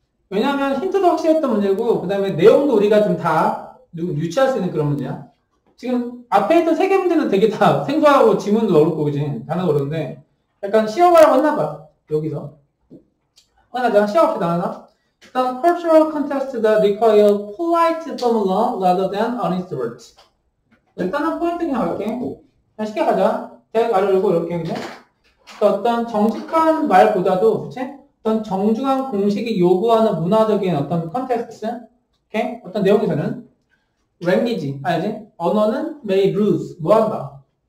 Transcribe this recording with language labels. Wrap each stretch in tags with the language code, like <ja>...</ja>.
<ko>왜냐하면 힌트도 확실했던 문제고, 그 다음에 내용도 우리가 좀 다 유치할 수 있는 그런 문제야. 지금 앞에 있던 세 개 문제는 되게 다 생소하고 지문도 어렵고, 그지? 단어도 어려운데, 약간 쉬어가라고 했나봐, 여기서. 하나, 쉬어갑시다, 하나. 일단,</ko> <en>cultural context that require polite formula rather than honest words.</en> <ko>일단은 포인트 그냥 할게. 그냥 쉽게 가자. 대학 가려고 이렇게 했는데. 어떤 정직한 말보다도, 그치? 어떤 정중한 공식이 요구하는 문화적인 어떤 컨텍스트, 오케이? 어떤 내용에서는 language, 알지? 언어는</ko> <en>may lose,</en> <ko>뭐한다?</ko>